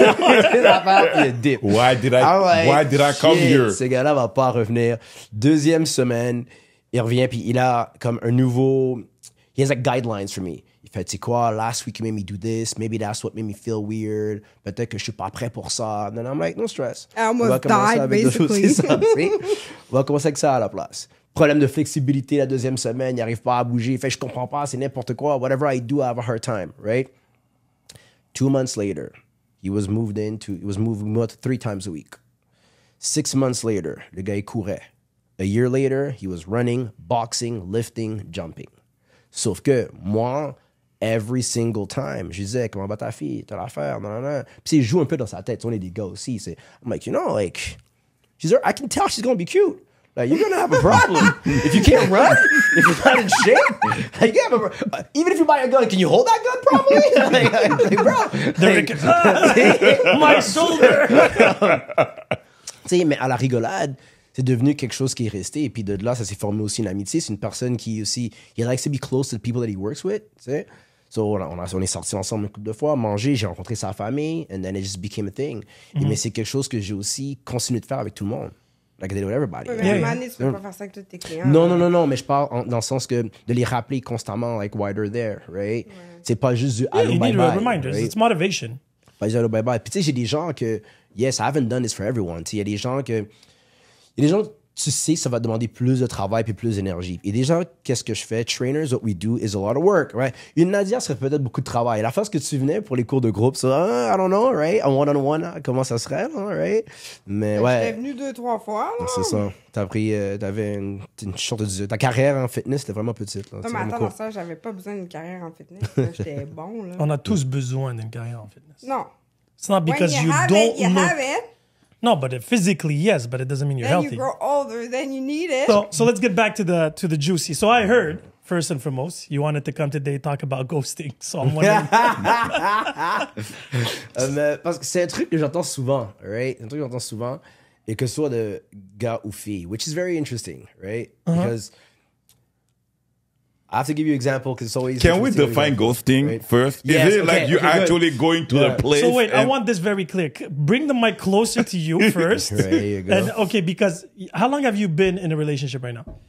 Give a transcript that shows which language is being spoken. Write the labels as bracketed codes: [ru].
[fr] Il a pris ses affaires, puis il a dip. [en] Why did I come here? [fr] Ce gars-là va pas revenir. Deuxième semaine, il revient, puis il a comme un nouveau... [en] He has like guidelines for me. [fr] Il fait, tu sais quoi, [en] last week you made me do this. Maybe that's what made me feel weird. [fr] Peut-être que je suis pas prêt pour ça. [en] Then I'm like, no stress. I almost died, basically. [fr] On va commencer avec ça à la place. Problème de flexibilité la deuxième semaine. Il n'arrive pas à bouger. Il fait, je comprends pas, c'est n'importe quoi. [en] Whatever I do, I have a hard time, right? 2 months later, he was moved 3 times a week. 6 months later, [fr] le gars, il courait. [en] A year later, he was running, boxing, lifting, jumping. [fr] Sauf que moi, [en] every single time, [fr] je disais, comment va ta fille? T'as l'affaire? Non, non, non. Puis il joue un peu dans sa tête. On est des gars aussi. [en] I'm like, you know, like, she's there. I can tell she's going to be cute. Like, you're going to have a problem. If you can't run, if you're not in shape, like, you have a problem. Even if you buy a gun, can you hold that gun properly? Like, bro. My shoulder. [fr] Tu sais, mais à la rigolade, c'est devenu quelque chose qui est resté. Et puis de là, ça s'est formé aussi une amitié. C'est une personne qui aussi, [en] he likes to be close to the people that he works with. [fr] Tu sais? So on est sortis ensemble une couple de fois, mangé, j'ai rencontré sa famille, [en] and then it just became a thing. [fr] Mm-hmm. Mais c'est quelque chose que j'ai aussi continué de faire avec tout le monde. [en] Like I did with everybody. [fr] Mais yeah. Manis, tu peux pas faire ça avec tous tes clients. Non, mais je parle dans le sens que de les rappeler constamment, [en] like why they're there, right? [fr] Mm-hmm. C'est pas juste du allo bye-bye. [en] You need reminders, right? It's motivation. [fr] Pas juste allo bye-bye. Puis tu sais, j'ai des gens que, [en] yes, I haven't done this for everyone. [fr] Il y a des gens que. Il y a des gens, tu sais, ça va demander plus de travail puis plus d'énergie. Et déjà, qu'est-ce que je fais? [en] Trainers, what we do is a lot of work, right? [fr] Une Nadia serait peut-être beaucoup de travail. La fois que tu venais pour les cours de groupe, c'est [en] I don't know, right? [fr] Un one-on-one, comment ça serait, là, right? Mais ouais. J'étais venu 2-3 fois, là. C'est ça. T'as pris, t'avais une sorte de. Ta carrière en fitness était vraiment petite, là. Non, mais attends, dans ça, j'avais pas besoin d'une carrière en fitness. Là, j'étais bon, là. On a tous besoin d'une carrière en fitness. Non. [en] It's not because when you don't have it. No, but physically, yes, but it doesn't mean you're then healthy. Then you grow older, then you need it. So let's get back to the juicy. So I heard, first and foremost, you wanted to come today talk about ghosting. So I'm wondering. [fr] Parce que c'est un truc que j'entends souvent, right? Un truc que j'entends souvent, et que ce soit de gars ou filles, [en] which is very interesting, right? [fr] Uh-huh. [en] Because I have to give you an example because it's always... Can we define ghosting first? Yes, is it like you're actually going to the place? So wait, I want this very clear. Bring the mic closer to you first. There you go. And, okay, because how long have you been in a relationship right now?